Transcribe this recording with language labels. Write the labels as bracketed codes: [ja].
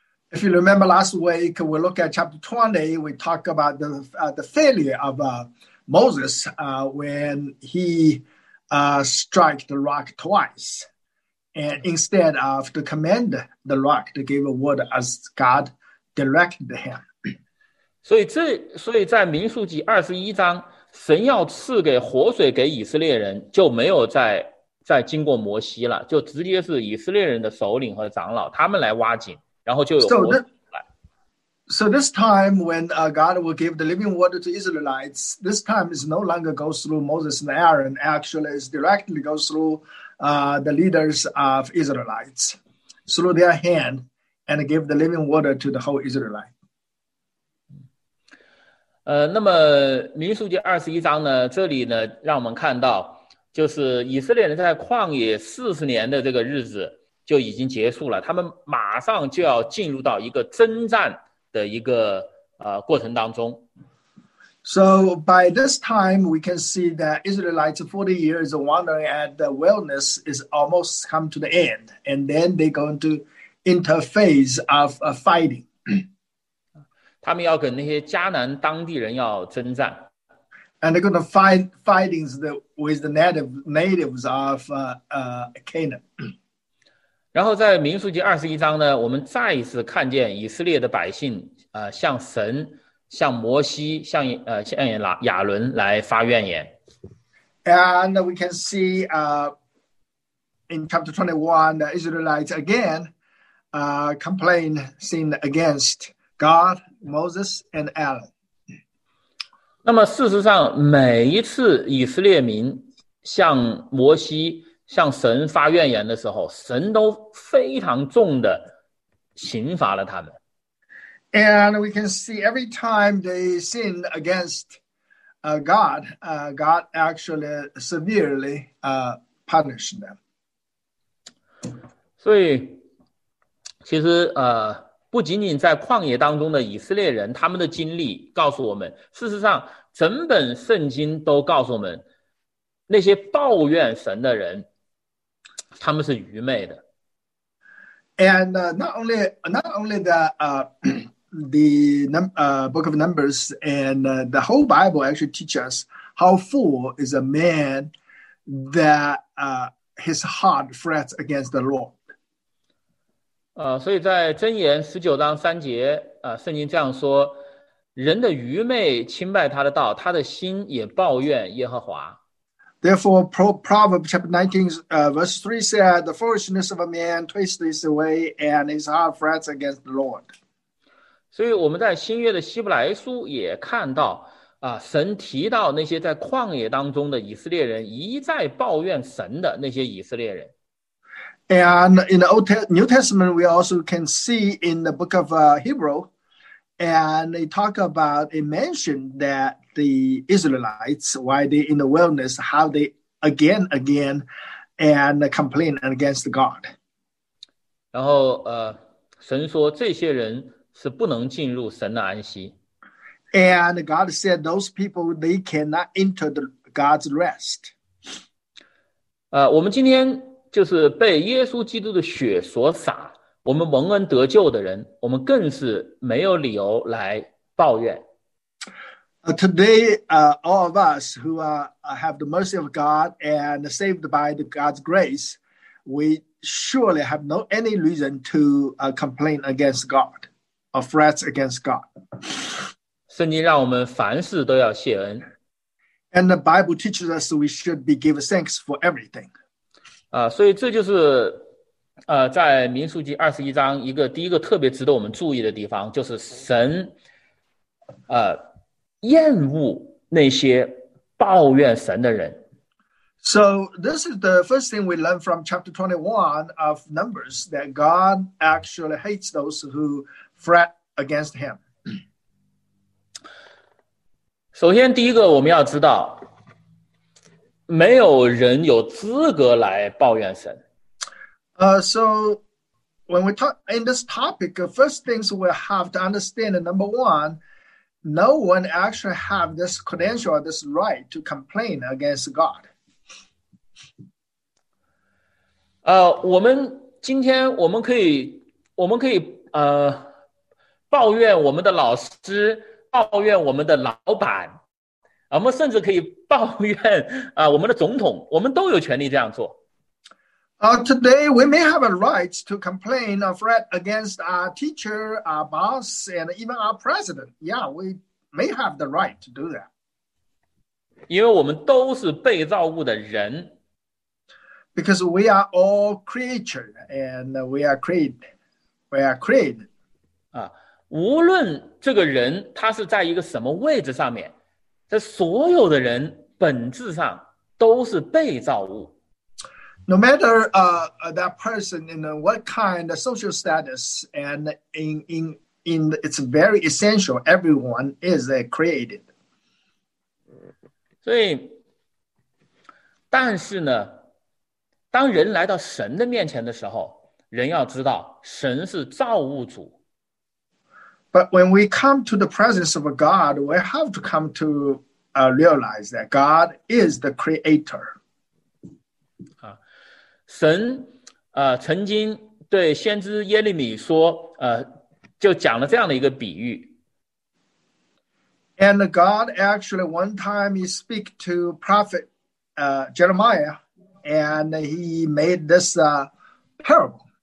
[en] If you remember last week, we look at chapter 20, we talk about the failure of Moses when he struck the rock twice, and instead of to command the rock to give a word as God directed him. [zh] 所以在民数记二十一章，神要赐给活水给以色列人，就没有再经过摩西了，就直接是以色列人的首领和长老他们来挖井，然后就有活水来。 [en] So this time when God will give the living water to Israelites, this time is no longer goes through Moses and Aaron. Actually, it's directly goes through the leaders of Israelites through their hand and give the living water to the whole Israelite. [zh] 那么民数记二十一章呢，这里呢让我们看到，就是以色列人在旷野四十年的这个日子就已经结束了，他们马上就要进入到一个征战的一个过程当中。 [en] So by this time, we can see that Israelites 40 years of wandering at the wilderness is almost come to the end, and then they go into interphase of fighting. [zh] 他们要跟那些迦南当地人要征战。 [en] And they're going to fighting with the natives of Canaan. [zh] 然后在民数记二十一章呢，我们再一次看见以色列的百姓向神。向摩西 向亚伦来发愿言。 [en] And we can see in chapter 21 the Israelites again complain sin against God, Moses and Aaron. [zh] 那么事实上每一次以色列民向摩西向神发愿言的时候，神都非常重的刑罚了他们。 [en] And we can see every time they sinned against God, God actually severely punished them. [zh] 所以其实不仅仅在旷野当中的以色列人，他们的经历告诉我们，事实上整本圣经都告诉我们，那些抱怨神的人，他们是愚昧的。 [en] And not only the book of Numbers and the whole Bible actually teach us how fool is a man that his heart frets against the Lord. [zh] 所以在箴言十九章三节圣经这样说，人的愚昧轻拜他的道，他的心也抱怨耶和华。 [en] Therefore, Proverbs chapter 19, verse 3 said, the foolishness of a man twists his way and his heart frets against the Lord. [zh] 所以我们在新约的希伯来书也看到神提到那些在旷野当中的以色列人一再抱怨神的那些以色列人。 [en] And in the New Testament, we also can see in the book of Hebrew, and they talk about, they mention that the Israelites, why they in the wilderness, how they again, and complain against God. [zh] 然后神说这些人是不能进入神的安息。 [en] And God said those people, they cannot enter God's rest. [zh] 我们今天就是被耶稣基督的血所洒，我们蒙恩得救的人，我们更是没有理由来抱怨。 [en] Today, all of us who have the mercy of God and saved by God's grace, we surely have no any reason to complain against God. Of threats against God. [zh] 圣经让我们凡事都要谢恩。 [en] And the Bible teaches us we should be given thanks for everything. [zh] 所以这就是在民数记二十一章一个第一个特别值得我们注意的地方，就是神厌恶那些抱怨神的人。 [en] So this is the first thing we learn from chapter 21 of Numbers, that God actually hates those whofret against him. [zh] 首先第一个我们要知道，没有人有资格来抱怨神。 [en] So when we talk in this topic, first things we have to understand, number one, no one actually have this credential or this right to complain against God. [zh] 我们今天我们可以抱怨我们的老师，抱怨我们的老板，我们甚至可以抱怨我们的总统，我们都有权利这样做。 [en] Today we may have a right to complain or fret against our teacher, our boss, and even our president. Yeah, we may have the right to do that. [zh] 因为我们都是被造物的人。 [en] Because we are all creature, and we are created. [zh] 无论这个人他是在一个什么位置上面，这所有的人本质上都是被造物。 [en] No matter that person in what kind of social status and in it's very essential. Everyone is created. [zh] 所以，但是呢，当人来到神的面前的时候，人要知道神是造物主。 [en] But when we come to the presence of God, we have to come to realize that God is the creator. [zh] 神曾经对先知耶利米说就讲了这样的一个比喻。 [en] And God actually one time he speak to prophet Jeremiah and he made this parable.